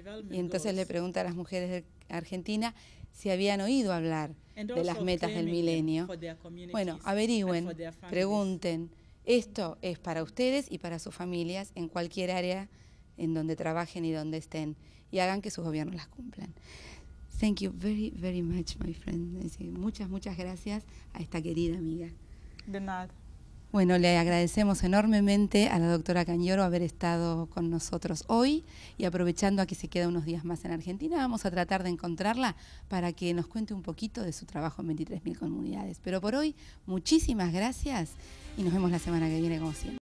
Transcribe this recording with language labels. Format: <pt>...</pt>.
<es>Y entonces le pregunta a las mujeres de Argentina si habían oído hablar de las metas del milenio. Bueno, averigüen, pregunten. Esto es para ustedes y para sus familias en cualquier área en donde trabajen y donde estén y hagan que sus gobiernos las cumplan.</es> <en>Thank you very, very much, my friend.</en> <es>Muchas, muchas gracias a esta querida amiga. De nada. Bueno, le agradecemos enormemente a la doctora Cañoro haber estado con nosotros hoy y aprovechando a que se queda unos días más en Argentina, vamos a tratar de encontrarla para que nos cuente un poquito de su trabajo en 23.000 comunidades. Pero por hoy, muchísimas gracias y nos vemos la semana que viene como siempre.</es>